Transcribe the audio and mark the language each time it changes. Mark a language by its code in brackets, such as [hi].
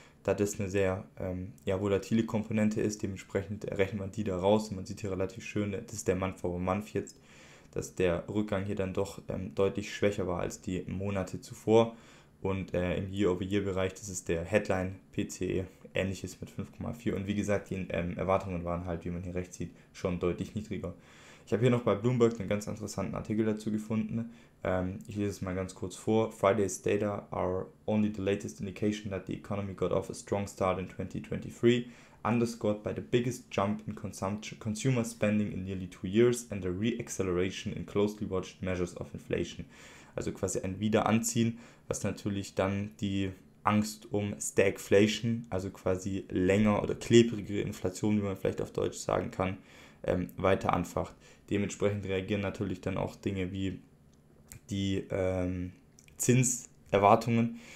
[de] Da das eine sehr ja, volatile Komponente ist, dementsprechend rechnet man die da raus. Und man sieht hier relativ schön, das ist der Month over Month jetzt, dass der Rückgang hier dann doch deutlich schwächer war als die Monate zuvor. Und im Year-over-Year-Bereich, das ist der Headline-PCE, ähnliches mit 5,4. Und wie gesagt, die Erwartungen waren halt, wie man hier rechts sieht, schon deutlich niedriger. Ich habe hier noch bei Bloomberg einen ganz interessanten Artikel dazu gefunden. Ich lese es mal ganz kurz vor. [en] Friday's data are only the latest indication that the economy got off a strong start in 2023, underscored by the biggest jump in consumer spending in nearly 2 years and a re-acceleration in closely watched measures of inflation. [de] Also quasi ein Wiederanziehen, was natürlich dann die Angst um Stagflation, also quasi länger oder klebrigere Inflation, wie man vielleicht auf Deutsch sagen kann, weiter anfacht. Dementsprechend reagieren natürlich dann auch Dinge wie die Zinserwartungen.